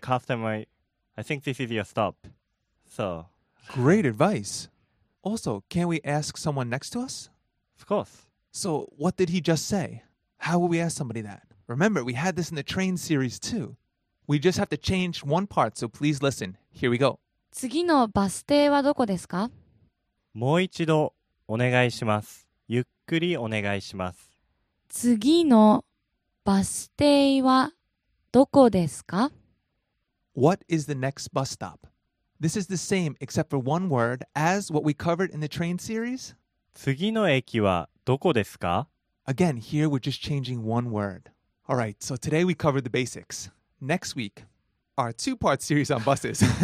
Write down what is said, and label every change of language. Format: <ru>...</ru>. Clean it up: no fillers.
<en>Customer, I think this is your stop. So. Great advice. Also, can we ask someone next to us? Of course. So what did he just say? How will we ask somebody that? Remember, we had this in the train series too. We just have to change one part, so please listen. Here we go.</en> <ja>次のバス停はどこですか? もう一度お願いします。ゆっくりお願いします。次のバス停はどこですか?</ja> <en>What is the next bus stop? This is the same except for one word as what we covered in the train series.</en> <ja>次の駅はどこですか?</ja> <en>Again, here we're just changing one word. All right, so today we covered the basics. Next week, our two-part series on buses.</en>